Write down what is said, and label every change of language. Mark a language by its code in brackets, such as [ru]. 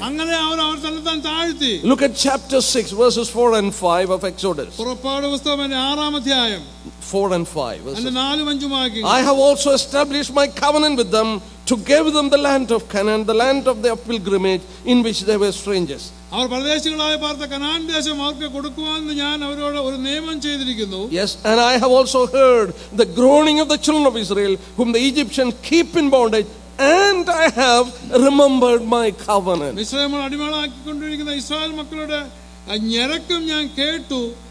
[en] Look at chapter 6 verses 4 and 5 of Exodus. 4 and 5. I have also established my covenant with them to give them the land of Canaan, the land of their pilgrimage in which they were strangers. [ml] Our പരദേശികളായ Partha Canaan ദേശം അവർക്ക് കൊടുക്കുവാന്ന് ഞാൻ അവരോട് ഒരു നിയമം ചെയ്തിരിക്കുന്നു. [en] Yes, and I have also heard the groaning of the children of Israel whom the Egyptians keep in bondage, and I have remembered my covenant. [ml] Israel അടിമകളാക്കി കൊണ്ടിരിക്കുന്ന Israel മക്കളുടെ ഞരക്കം ഞാൻ കേട്ടു.